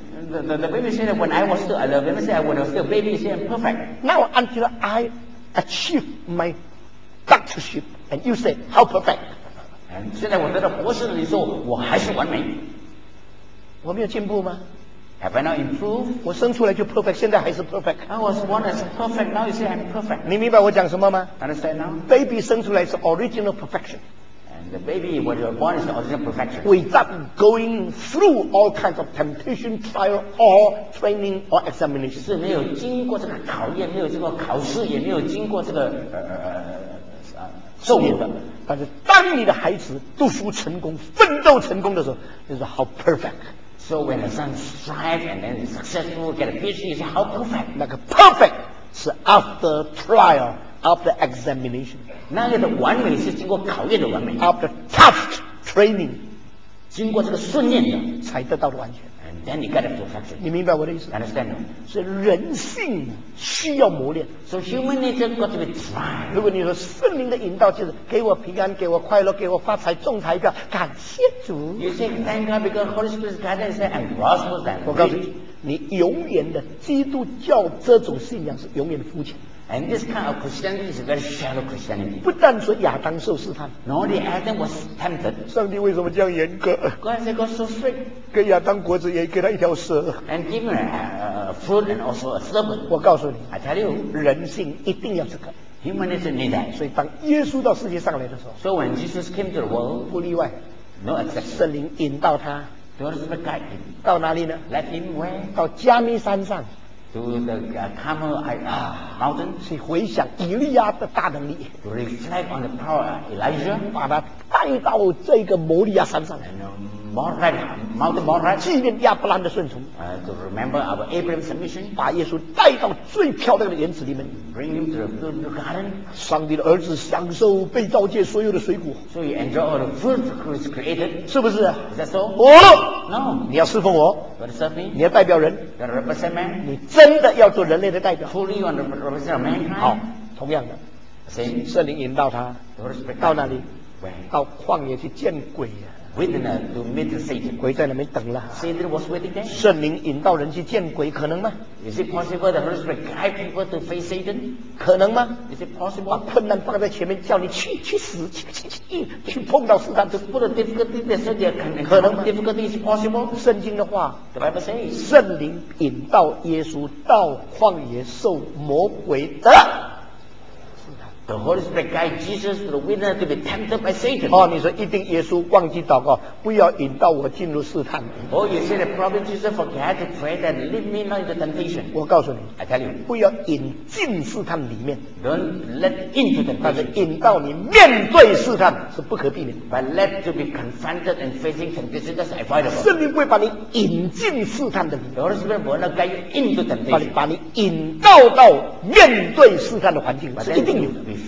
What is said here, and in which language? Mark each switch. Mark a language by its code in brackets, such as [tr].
[en] The baby said when I was still a little baby, said when I was still a baby, you said perfect. Now until I achieve my doctorship, and you said how perfect. And 现在我得到博士了，你说我还是完美。 [zh] 我没有进步吗？ [en] Have I not improved? [zh] 我生出来就 perfect， 现在还是 perfect。 [en] I was born as perfect, now you say I'm perfect。 [zh] 你明白我讲什么吗 [en] ？Understand now? [zh] Baby 生出来是 [en] original perfection。 And the baby when you're born is the original perfection。 Without going through all kinds of temptation, trial, or training or examination。 [zh] 是没有经过这个考验，没有经过考试，也没有经过这个受苦的。但是当你的孩子读书成功、奋斗成功的时候，就是 [en] how perfect。 So when the son strives and then successful get a PhD, you say how perfect? [zh] 那个 perfect 是 [en] after trial, after examination. [zh] 那个的完美是经过考验的完美。 [en] After tough training, [zh] 经过这个训练的才得到的完全。 [en] And then you get a perfection. [zh] 你明白我的意思 [en] ？Understand? [zh] 所以人性需要磨练。 [en] So human nature got to be tried. [zh] 如果你说圣灵的引导就是给我平安，给我快乐，给我发财，中彩票，感谢主。 [en] You say thank God because Holy Spirit guidance said I'm prosperous and rich. [zh] 我告诉你，你永远的基督教这种信仰是永远的肤浅。 [en] And this kind of Christianity is very shallow Christianity. [zh] 不但说亚当受试探 [en] ，No, the Adam was tempted. [zh] 上帝为什么这样严格 [en] ？God said God so strict. [zh] 给亚当果子也给他一条蛇。 [en] And give him a fruit and also a serpent. [zh] 我告诉你 [en] ，I tell you, [zh] 人性一定要这个。 [en] Humanism need that. [zh] 所以当耶稣到世界上来的时候 [en] ，So when Jesus came to the world, [zh] 不例外 [en] ，No exception. [zh] 圣灵引导他 [en] ，God is the guide him. [zh] 到哪里呢 [en] ？Let him where? [zh] 到加密山上。 [en] To the Carmel mountain, [zh] 去回想以利亚的大能力 [en] ，to reflect on the power of Elijah, [zh] 把他带到这个摩利亚山上 [en] ，and Moriah mountain Moriah, [zh] 纪念亚伯兰的顺从 [en] ，to remember our Abraham submission, [zh] 把耶稣带到最漂亮的园子里面 [en] ，bring him to the fruit garden, [zh] 上帝的儿子享受被造界所有的水果 [en] ，so he enjoy all the fruit he was created, [zh] 是不是 [en] ？Is that so? [zh] 我、 [en] No, [zh] 你要侍奉我。 [en] You're the servant. [zh] 你要代表人。 [en] You're a representative man. [zh] 你真的要做人类的代表。 [en] Truly, you are the representative man. [zh] 好，同样的。 [en] Same. [zh] 圣灵引导他。 [en] The Holy Spirit. [zh] 到哪里？ [en] Where? [zh] 到旷野去见鬼呀、啊。 [en] waiting to meet Satan. [zh] 鬼在那边等了。 [en] Satan was waiting there. [zh] 圣灵引导人去见鬼，可能吗？ [en] Is it possible the Holy Spirit guide people to face Satan? [zh] 可能吗？ [en] Is it possible? [zh] 把困难放在前面，叫你去去死，去碰到试探。 [en] To put a difficulty there, so there can be some difficulty. Is possible? [zh] 圣经的话， [en] the Bible says, [zh] 圣灵引导耶稣到旷野受魔鬼的。 [en] The Holy Spirit guide Jesus to the wilderness to be tempted by Satan. [zh] 哦，你说一定耶稣忘记祷告，不要引导我进入试探。 [en] Oh, you say the prophet Jesus forgot to pray that lead me not into temptation. [zh] 我告诉你 [en] ，I tell you, [zh] 不要引进试探里面。 [en] Don't let into temptation. [zh] 但是引导你面对试探是不可避免。 [en] But let to be confronted and facing temptation that's avoidable. [zh] 圣灵会把你引进试探的里面。 [en] The Holy Spirit will not guide you into temptation. [zh] 把你引导到面对试探的环境是一定有的。